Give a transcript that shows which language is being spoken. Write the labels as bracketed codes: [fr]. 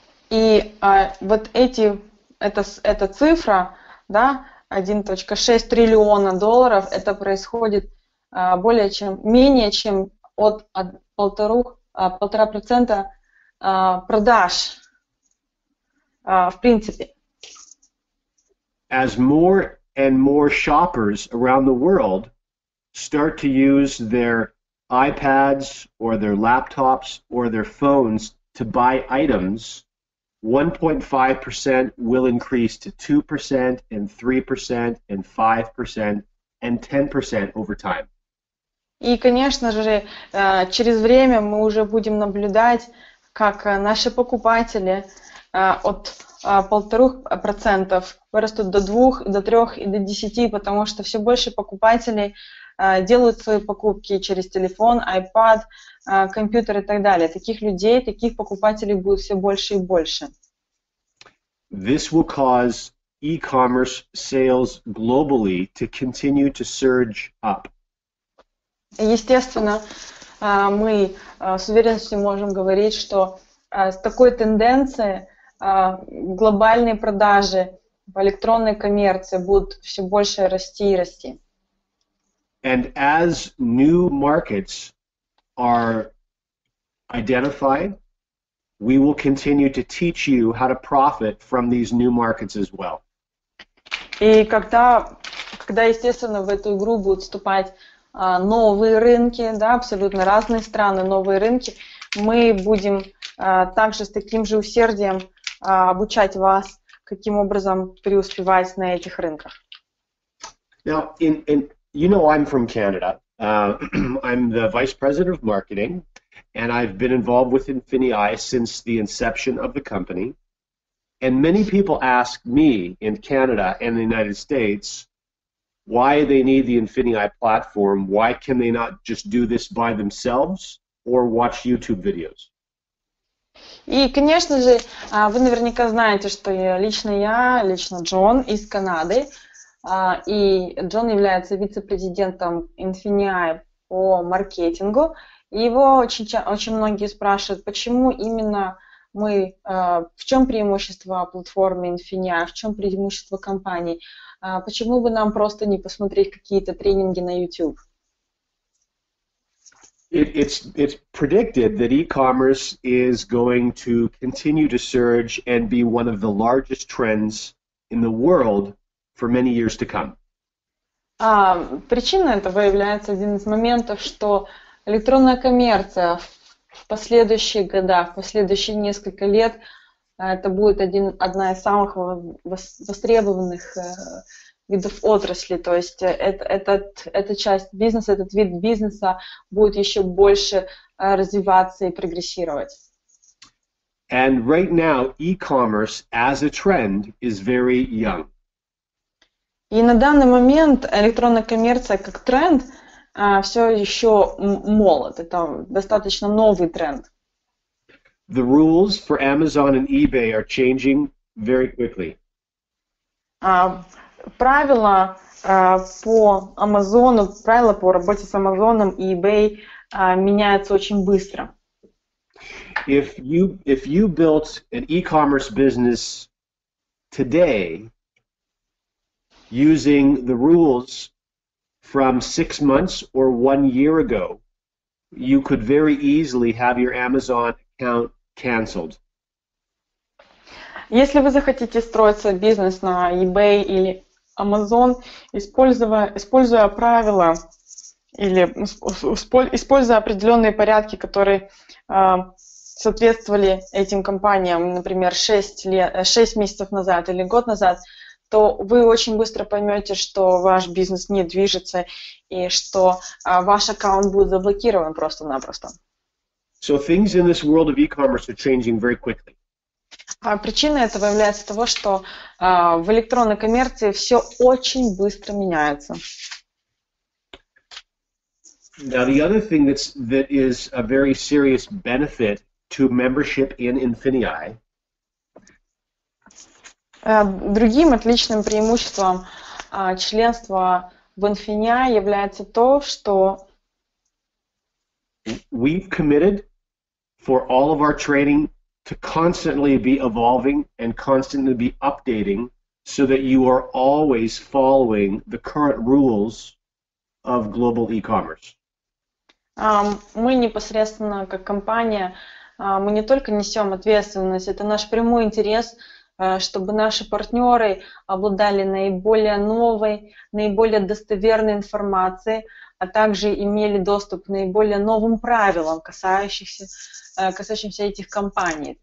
[ru] И вот эта цифра, да, 1.6 триллиона долларов, это происходит менее чем от 1.5% продаж в принципе. [en] As more and more shoppers around the world start to use their iPads or their laptops or their phones to buy items, 1.5% will increase to 2% and 3% and 5% and 10% over time. [ru] И, конечно же, через время мы уже будем наблюдать, как наши покупатели от 1.5% вырастут до 2, до 3 и до 10, потому что все больше покупателей делают свои покупки через телефон, iPad, компьютер и так далее. Таких людей, таких покупателей будет все больше и больше. [en] This will cause e-commerce sales globally to continue to surge up. [ru] Естественно, мы с уверенностью можем говорить, что с такой тенденцией глобальные продажи в электронной коммерции будут все больше расти и расти. [en] And as new markets are identified, we will continue to teach you how to profit from these new markets as well. [ru] И когда естественно, в эту игру будут вступать новые рынки, да, абсолютно разные страны, новые рынки, мы будем также с таким же усердием обучать вас, каким образом преуспевать на этих рынках. [en] Now, you know, I'm from Canada. I'm the vice president of marketing, and I've been involved with InfiniEye since the inception of the company. And many people ask me in Canada and the United States why they need the InfiniEye platform. Why can they not just do this by themselves or watch YouTube videos? [ru] И, конечно же, вы наверняка знаете, что лично Джон из Канады, и Джон является вице-президентом Infinii по маркетингу. И его очень многие спрашивают, почему именно мы, в чем преимущество платформы Infinii, в чем преимущество компании, почему бы нам просто не посмотреть какие-то тренинги на YouTube? [en] It's predicted that e-commerce is going to continue to surge and be one of the largest trends in the world for many years to come. [ru] Причина этого является один из моментов, что электронная коммерция в последующие года, в последующие несколько лет, это будет одна из самых востребованных видов отрасли, то есть эта часть бизнеса, этот вид бизнеса будет еще больше развиваться и прогрессировать. [en] And right now, e-commerce as a trend is very young. [ru] И на данный момент электронная коммерция как тренд все еще молод, это достаточно новый тренд. [en] The rules for Amazon and eBay are changing very quickly. [ru] Правила по Амазону, правила по работе с Амазоном и eBay меняются очень быстро. [en] If you built an e-commerce business today using the rules from 6 months or 1 year ago, you could very easily have your Amazon account canceled. [ru] Если вы захотите строить свой бизнес на eBay или Amazon, используя правила или используя определенные порядки, которые соответствовали этим компаниям, например, 6 месяцев назад или год назад, то вы очень быстро поймете, что ваш бизнес не движется и что ваш аккаунт будет заблокирован просто-напросто. [en] So things in this world of e-commerce are changing very quickly. [ru] Причина этого является того, что в электронной коммерции все очень быстро меняется. [en] Now the other thing that is a very serious benefit to membership in Infinii. [ru] Другим отличным преимуществом членства в Infinii является то, что [en] we've committed for all of our training to constantly be evolving and constantly be updating so that you are always following the current rules of global e-commerce. [ru] Мы непосредственно как компания, мы не только несем ответственность, это наш прямой интерес, чтобы наши партнеры обладали наиболее новой, наиболее достоверной информацией, а также имели доступ к наиболее новым правилам, касающимся этих компаний.